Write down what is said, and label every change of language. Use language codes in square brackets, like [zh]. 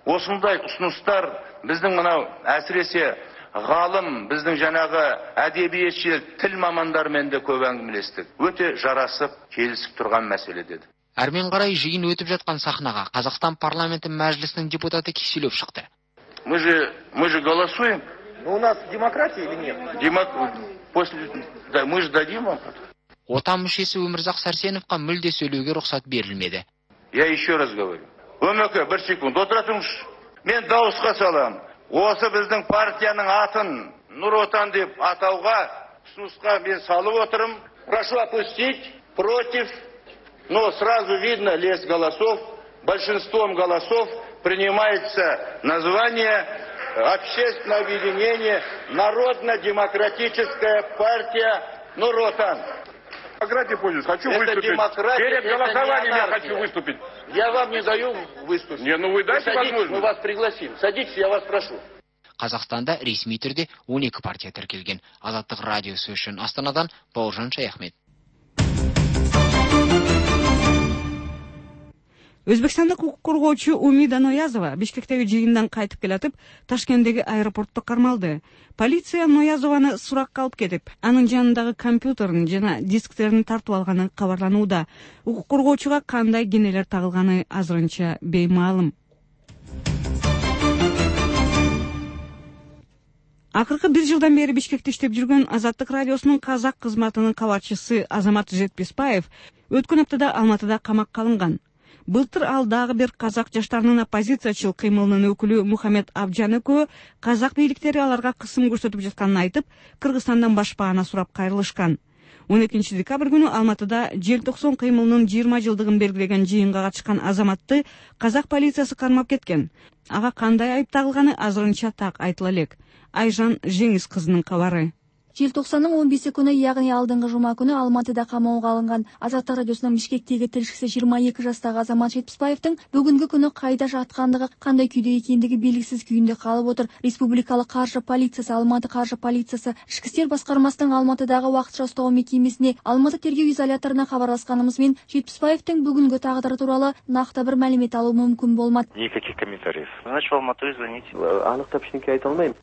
[kk] Осындай ұсыныстар біздің мынау әсіресе ғалым, біздің жаңағы әдебиетші тіл мамандарымен де көп әңгімелестік. Өте жарасып келісіп тұрған мәселе деді. Әрмен қарай жиын өтіп жатқан сахнаға Қазақстан парламенті мәжілісінің депутаты Киселев шықты. [ru] Мы же голосуем. Но у нас демократия или нет? Мы же дадим вам. [kk] Отан мүшесі Өмірзақ Сәрсеновқа мүлде сөйлеуге рұқсат берілмеді. [ru] Я еще раз говорю. [kk] Өмеке, бір секунд, отыра тұрыңыз. Мен дауысқа салам. Осы біздің партияның атын Нұр Отан деп атауға, ұсынысқа мен салып отырым. [ru] Прошу опустить, против. Но сразу видно лес голосов, большинством голосов. Принимается название общественное объединение Народно-демократическая партия Нур Отан. Демократия, понял, хочу выступить. Это демократия, перед голосованием я хочу выступить. Я вам не даю выступить. Не, ну вы дайте возможность. Мы вас пригласим. Садитесь, я вас прошу. [kk] Қазақстанда ресми түрде 12 партия тіркелген. Азаттық радиосы үшін Астанадан Бауыржан Шаяхмет. Өзбекстандық құқық қорғаушы Умида Ноязова Бишкектегі жиындан қайтып келатып, Ташкенттегі аэропортты қармалды. Полиция Ноязованы сұраққа алып кетіп, аның жанындағы компьютерін жана дисктерін тартып алғаны хабарлануда. Құқық қорғаушыға қандай кінәлер тағылғаны азырынша беймәлім. [ky] Акыркы бир жылдан бери Бишкекте иштеп жүргөн Азаттык радиосунун казак кызматынын кабарчысы Азамат Жетпесбаев өткөн аптада Алматыда камакка алынган. Былтыр ал дагы бир казак жаштарынын оппозициячыл кыймылынын өкүлү Мухаммед Абжаныкы казак бийликтери аларга кысым көрсөтүп жатканын айтып, Кыргызстандан башпаана сурап кайрылышкан. 12 декабрь күнү Алматыда 90 кыймылынын 20 жылдыгын белгилеген жыйынга катышкан азаматты казак полициясы кармап кеткен. Ага кандай айып тагылганы азырынча так айтыла элек. Айжан Жеңис кызынын кабары. [kk] Желтоқсанның 15-ші күні, яғни алдыңғы жұма күні Алматыда қамауға алынған Азаттық радиосының Бішкектегі тілшісі 22 жастағы Азамат Жетпісбаевтың бүгінгі күні қайда жатқандығы, қандай күйде екендігі белгісіз күйінде қалып отыр. Республикалық қаржы полициясы, Алматы қаржы полициясы, Ішкі істер басқармасының Алматыдағы уақытша ұстау мекемесіне, Алматы тергеу изоляторына хабарласқанымызбен Жетпісбаевтың бүгінгі тағдыры туралы нақты бір мәлімет алу мүмкін болмады. [ru] Никаких комментариев. Значит, в Алматы звонить. [kk] Анықтап ештеңке айта алмаймын.